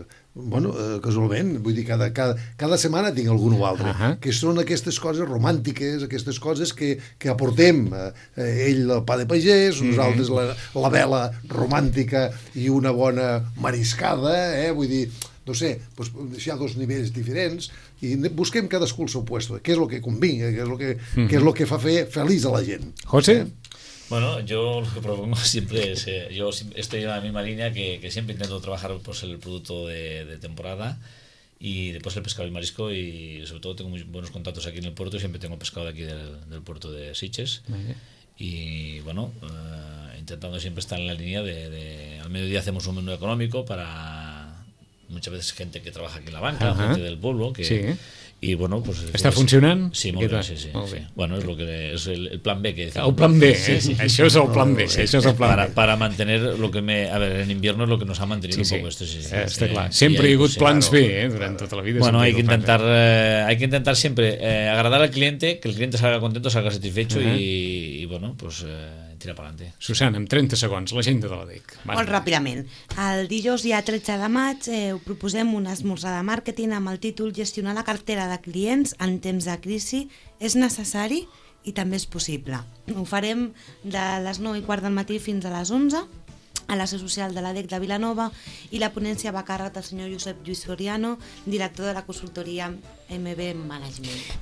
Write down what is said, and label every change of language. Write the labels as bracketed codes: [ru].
[ca] casualment, vull dir, cada setmana tinc algun o altre, que són aquestes coses romàntiques, aquestes coses que aportem, ell el pa de pagès, nosaltres la vela romàntica i una bona mariscada, vull dir, no sé, doncs hi ha dos nivells diferents i busquem cadascú el seu puesto, què és el que convinga, què és el que fa fer feliç a la gent. José? [es] Bueno, yo lo que propongo siempre es, yo estoy en la misma línea que siempre intento trabajar pues, el producto de temporada y después el pescado y marisco y sobre todo tengo muy buenos contactos aquí en el puerto y siempre tengo pescado de aquí del puerto de Sitges. y bueno, intentando siempre estar en la línea de al mediodía hacemos un menú económico para muchas veces gente que trabaja aquí en la banca, uh-huh. gente del pueblo que sí. Y bueno, pues [ca] està funcionant? Sí, molt bé, sí, sí, sí. Bueno, és lo que és el plan B, que dic. El plan B, sí, sí, sí. Això és el plan B, sí, això és el plan [es] para, B. Para mantener lo que me, a ver, en invierno es lo que nos ha mantenido sí, un poco esto, sí, sí. [ca] Está clar. Sempre hi ha hagut plans B, durant tota la vida. [es] Bueno, hay que intentar siempre agradar al cliente, que el cliente salga contento, salga satisfecho y bueno, pues tira para adelante. [ca] Susana, en 30 segons, l'agenda de la DEC. Molt ràpidament. El dijous, dia 13 de maig, proposem una esmorzar de màrqueting amb el títol Gestionar la cartera de clients en temps de crisi és necessari i també és possible. Ho farem de les 9 i quart del matí fins a les 11 a la seu social de la DEC de Vilanova i la ponència va a càrrec del senyor Josep Lluís Soriano, director de la consultoria MB Management.